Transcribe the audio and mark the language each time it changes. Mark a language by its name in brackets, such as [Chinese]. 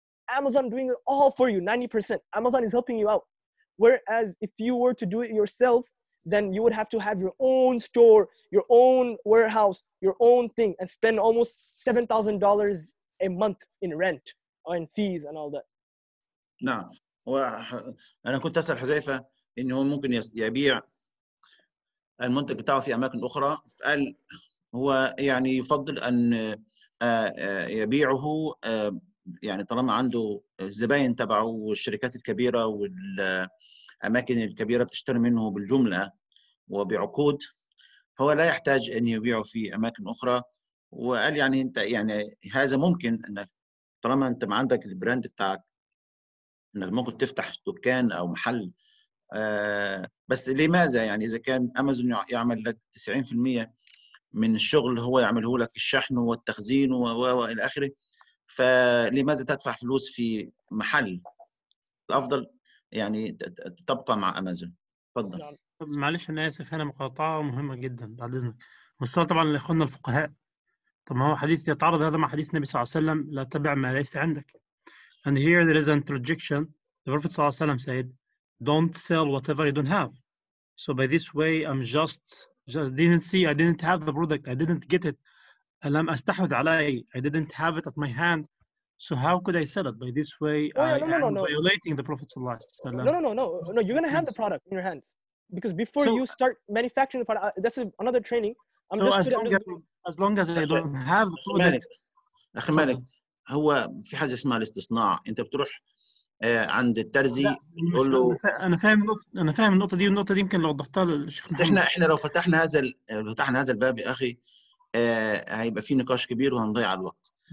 [English] Amazon doing it all for you, 90%. Amazon is helping you out. Whereas if you were to do it yourself, then you would have to have your own store, your own warehouse, your own thing, and spend almost $7,000 a month in rent or in fees and all that. [Arabic] نعم. وأنا كنت أسأل حذيفة إن هو ممكن يبيع المنتج بتاعه في أماكن أخرى. قال هو يعني يفضل أن يبيعه يعني طالما عنده الزباين تبعه والشركات الكبيرة والأماكن الكبيرة بتشتري منه بالجملة وبعقود فهو لا يحتاج أن يبيعه في أماكن أخرى وقال يعني أنت يعني هذا ممكن أنك طالما أنت ما عندك البراند بتاعك أنك ممكن تفتح دكان أو محل بس لماذا يعني إذا كان أمازون يعمل لك 90% من الشغل هو يعمله لك الشحن والتخزين وإلى آخره فلماذا تدفع فلوس في محل الأفضل يعني تبقى مع أمازون ف تفضل. طب معلش انا اسف، هنا مقاطعه مهمه جدا بعد اذنك مستوى طبعا لاخواننا الفقهاء. طب هو حديث يتعرض هذا مع حديث النبي صلى الله عليه وسلم لا تبع ما ليس عندك. [English] And here there is an interjection. The Prophet [Arabic] صلى الله عليه وسلم [English] said, don't sell whatever you don't have. So by this way, I'm just didn't see, I didn't have the product, I didn't get it. [Arabic] لم أستحوذ علي, [English] I didn't have it at my hand. So how could I sell it? By this way, violating the Prophet [Arabic] صلى الله عليه وسلم. [English] No, you're going to have the product in your hands. Because before you start manufacturing the product, this is another training. As long as I don't have the product. [Arabic] أخي مالك, هو في حاجة اسمها الاستصناع. أنت بتروح عند الترزي تقول له أنا فاهم النقطة دي والنقطة دي يمكن لو وضحتها للشخص. إحنا لو فتحنا هذا الباب يا أخي هيبقى في نقاش كبير وهنضيع الوقت.